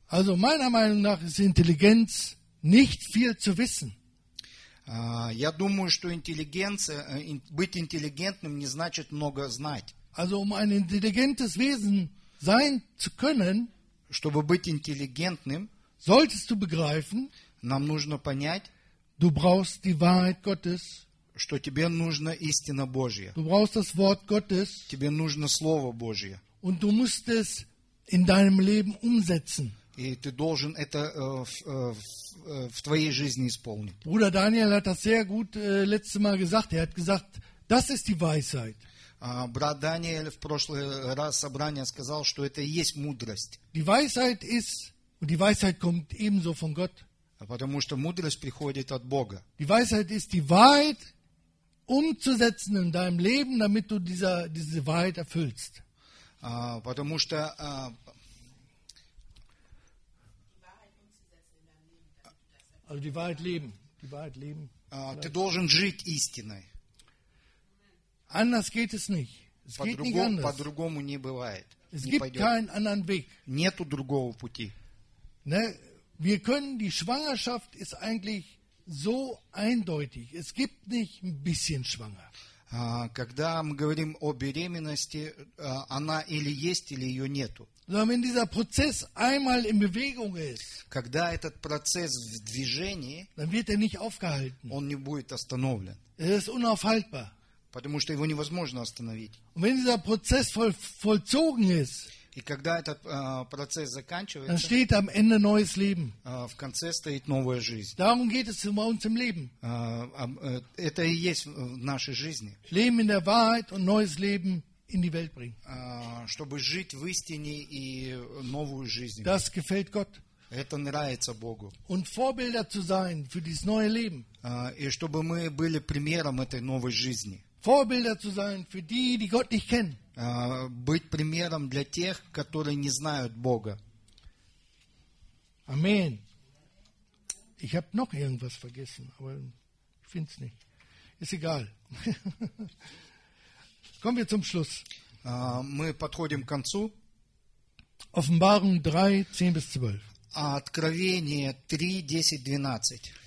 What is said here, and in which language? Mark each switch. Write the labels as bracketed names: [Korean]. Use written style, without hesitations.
[German] Also meiner Meinung nach ist Intelligenz nicht viel zu wissen. [Russian] Я думаю, что интеллигенция, быть интеллигентным не значит много знать. [German] Also um ein intelligentes Wesen sein zu können, [Russian] чтобы быть интеллигентным, [German] solltest du begreifen, [Russian] нам нужно понять, [German] du brauchst die Wahrheit Gottes, [Russian] что тебе нужна истина Божья. [German] Du brauchst das Wort Gottes, [Russian] тебе нужно Слово Божье. [German] Und du musst es in deinem Leben umsetzen. [Russian] И ты должен это в твоей жизни исполнить. [German] Bruder Daniel hat das sehr gut letztes Mal gesagt. Er hat gesagt, das ist die Weisheit. [Russian] Брат Даниэль в прошлый раз собрание сказал, что это и есть мудрость. [German] Die Weisheit ist, und die Weisheit kommt ebenso von Gott. [Russian] Потому что мудрость приходит от Бога. [German] Die Weisheit ist die Wahrheit umzusetzen in deinem Leben, damit du diese Wahrheit erfüllst. [Russian] Потому что [German] also die Wahrheit leben. Die Wahrheit leben. [Russian] Ты должен жить истиной. [German] Anders geht es nicht. Es geht nicht anders. [Russian] По-другому не бывает. [German] Es gibt keinen anderen Weg. [Russian] Нету другого пути. [German] Ne? Wir können, die Schwangerschaft ist eigentlich so eindeutig. Es gibt nicht ein bisschen schwanger. [Russian] Когда мы говорим о беременности, она или есть, или ее нету. [German] Wenn dieser Prozess einmal in Bewegung ist, [Russian] когда этот процесс в движении, [German] dann wird nicht aufgehalten. [Russian] Он не будет остановлен. [German] Es ist unaufhaltbar. [Russian] Потому что его невозможно остановить. [German] Und wenn dieser Prozess vollzogen ist, [Russian] и когда этот процесс заканчивается, [German] dann steht am Ende neues Leben. [Russian] В конце стоит новая жизнь. [German] Darum geht es in unserem Leben. [Russian] Это и есть в нашей жизни. [German] Leben in der Wahrheit und neues Leben in die Welt bringen. [Russian] Чтобы жить в истине и новую жизнь. [German] Das gefällt Gott. [Russian] Это нравится Богу. [German] Und Vorbilder zu sein für dieses neue Leben. [Russian] И чтобы мы были примером этой новой жизни. [German] Vorbilder zu sein für die, die Gott nicht kennen. [Russian] Быть примером для тех, которые не знают Бога. [German] Amen. Ich habe noch irgendwas vergessen, aber ich finde es nicht. Ist egal. Kommen wir zum Schluss. [Russian] Мы подходим к концу. [German] Offenbarung 3, 10 bis 12. [Russian] Откровение 3, 10, 12.